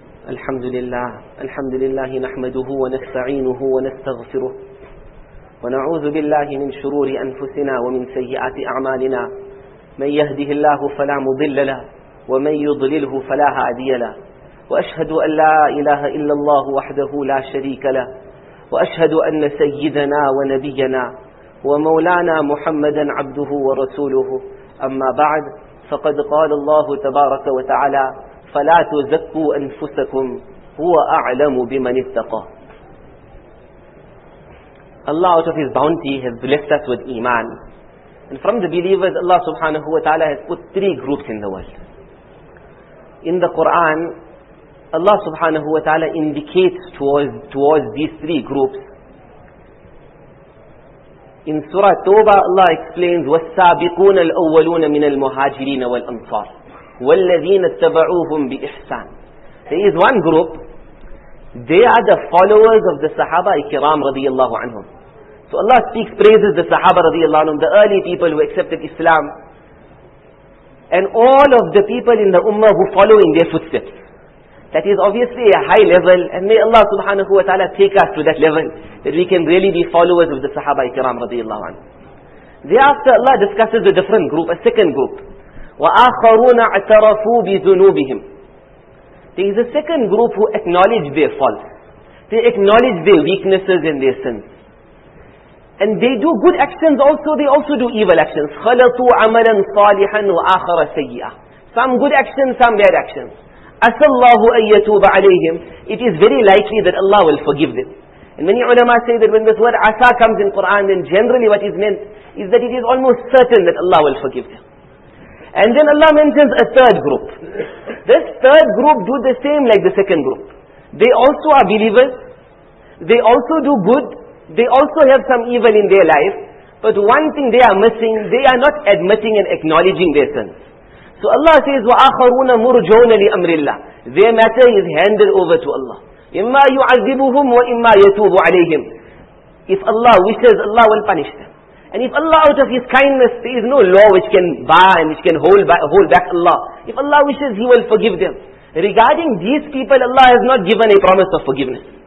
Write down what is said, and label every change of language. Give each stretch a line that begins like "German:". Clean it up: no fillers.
Arabic: الحمد لله الحمد لله نحمده ونستعينه ونستغفره ونعوذ بالله من شرور أنفسنا ومن سيئات أعمالنا، من يهده الله فلا مضل له ومن يضلله فلا هادي له، وأشهد أن لا إله إلا الله وحده لا شريك له، وأشهد أن سيدنا ونبينا ومولانا محمدا عبده ورسوله. أما بعد، فقد قال الله تبارك وتعالى: فلا تزكوا أنفسكم هو أعلم بمن اتقى.
English: Allah out of His bounty has blessed us with iman. And from the believers, Allah subhanahu wa ta'ala has put three groups in the world. In the Quran, Allah subhanahu wa ta'ala indicates towards these three groups. In Surah Tawbah, Allah explains,
Arabic: وَالسَّابِقُونَ الْأَوَّلُونَ مِنَ الْمُهَاجِرِينَ وَالْأَنصَارِ وَالَّذِينَ اتَّبَعُوهُمْ بِإِحْسَانِ.
English: There is one group. They are the followers of the Sahaba Ikram radiyallahu anhum. So Allah speaks praises the Sahaba radiyallahu anhum, the early people who accepted Islam, and all of the people in the Ummah who follow in their footsteps. That is obviously a high level, and may Allah subhanahu wa ta'ala take us to that level, that we can really be followers of the Sahaba Ikram radiyallahu anhum. Thereafter Allah discusses a different group, a second group.
Arabic: وَآخَرُونَ اَعْتَرَفُوا بِذُنُوبِهِمْ.
English: There is a second group who acknowledge their faults. They acknowledge their weaknesses and their sins. And they do good actions also, they also do evil actions.
Arabic: خَلَطُوا عَمَلًا صَالِحًا وَآخَرَ سَيِّئًا.
English: Some good actions, some bad actions.
Arabic: أَسَى اللَّهُ أَن يَتُوبَ عَلَيْهِمْ.
English: It is very likely that Allah will forgive them. And many ulama say that when this word asa comes in Quran, then generally what is meant is that it is almost certain that Allah will forgive them. And then Allah mentions a third group. This third group do the same like the second group. They also are believers. They also do good. They also have some evil in their life. But one thing they are missing, they are not admitting and acknowledging their sins. So Allah says,
Arabic: وَآخَرُونَ مُرْجَوْنَ لِأَمْرِ اللَّهِ.
English: Their matter is handed over to Allah.
Arabic: إِمَّا يُعَذِّبُهُمْ وَإِمَّا يَتُوبُ عَلَيْهِمْ.
English: If Allah wishes, Allah will punish them. And if Allah out of His kindness, there is no law which can bar and which can hold back Allah. If Allah wishes, He will forgive them. Regarding these people, Allah has not given a promise of forgiveness.